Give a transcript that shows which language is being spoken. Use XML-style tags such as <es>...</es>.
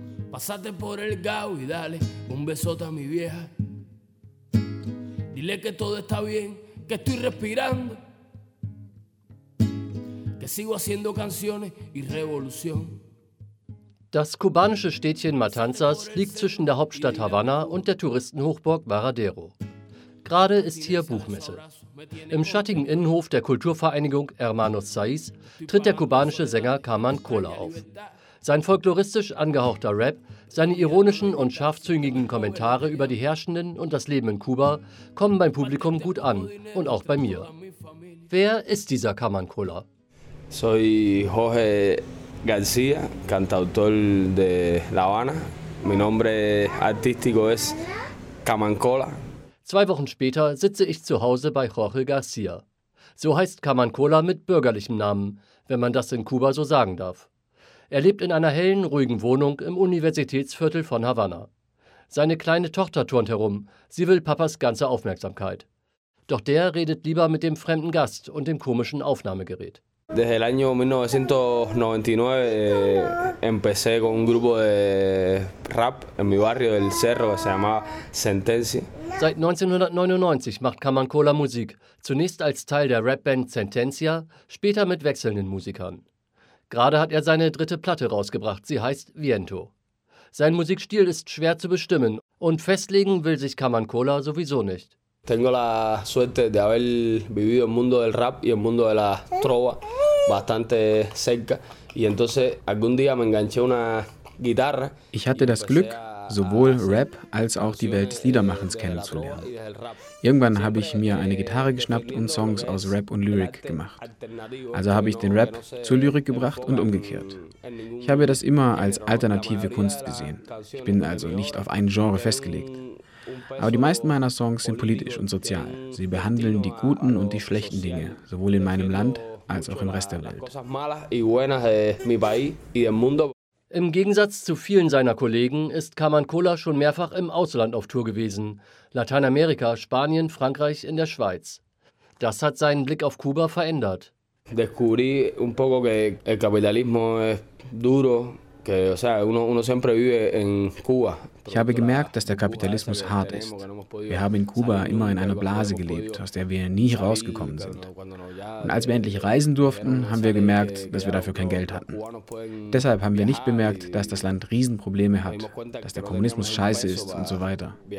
<es>Pásate por el Gao y dale un besote a mi vieja. Dile que todo está bien, que estoy respirando. Que sigo haciendo canciones y revolución.</es> <de>Das kubanische Städtchen Matanzas liegt zwischen der Hauptstadt Havanna und der Touristenhochburg Varadero. Gerade ist hier Buchmesse. Im schattigen Innenhof der Kulturvereinigung Hermanos Saiz tritt der kubanische Sänger Carmen Cola auf. Sein folkloristisch angehauchter Rap, seine ironischen und scharfzüngigen Kommentare über die Herrschenden und das Leben in Kuba kommen beim Publikum gut an und auch bei mir. Wer ist dieser Carmen Cola?</de> <es>Soy Jorge García, cantautor de La Habana. Mi nombre artístico es Carmen Cola.</es> <de>Zwei Wochen später sitze ich zu Hause bei Jorge García. So heißt Carmen Cola mit bürgerlichem Namen, wenn man das in Kuba so sagen darf. Er lebt in einer hellen, ruhigen Wohnung im Universitätsviertel von Havanna. Seine kleine Tochter turnt herum, sie will Papas ganze Aufmerksamkeit. Doch der redet lieber mit dem fremden Gast und dem komischen Aufnahmegerät.</de> <es>Desde el año 1999 empecé con un grupo de rap en mi barrio del Cerro, que se llamaba Sentencia.</es> <de>Seit 1999 macht Carmen Cola Musik, zunächst als Teil der Rapband Sentencia, später mit wechselnden Musikern. Gerade hat er seine dritte Platte rausgebracht, sie heißt Viento. Sein Musikstil ist schwer zu bestimmen und festlegen will sich Carmen Cola sowieso nicht.</de> <es>Tengo la suerte de haber vivido el mundo del rap y el mundo de la trova bastante cerca y entonces algún día me enganché una guitarra.</es> <de>Ich hatte das Glück, sowohl Rap als auch die Welt des Liedermachens kennenzulernen. Irgendwann habe ich mir eine Gitarre geschnappt und Songs aus Rap und Lyrik gemacht. Also habe ich den Rap zur Lyrik gebracht und umgekehrt. Ich habe das immer als alternative Kunst gesehen. Ich bin also nicht auf ein Genre festgelegt. Aber die meisten meiner Songs sind politisch und sozial. Sie behandeln die guten und die schlechten Dinge, sowohl in meinem Land als auch im Rest der Welt. Im Gegensatz zu vielen seiner Kollegen ist Carmen Cola schon mehrfach im Ausland auf Tour gewesen. Lateinamerika, Spanien, Frankreich, in der Schweiz. Das hat seinen Blick auf Kuba verändert.</de> <es>Descubrí un poco que el capitalismo es duro.</es> <de>Ich habe gemerkt, dass der Kapitalismus hart ist. Wir haben in Kuba immer in einer Blase gelebt, aus der wir nie rausgekommen sind. Und als wir endlich reisen durften, haben wir gemerkt, dass wir dafür kein Geld hatten. Deshalb haben wir nicht bemerkt, dass das Land Riesenprobleme hat, dass der Kommunismus scheiße ist und so weiter.</de>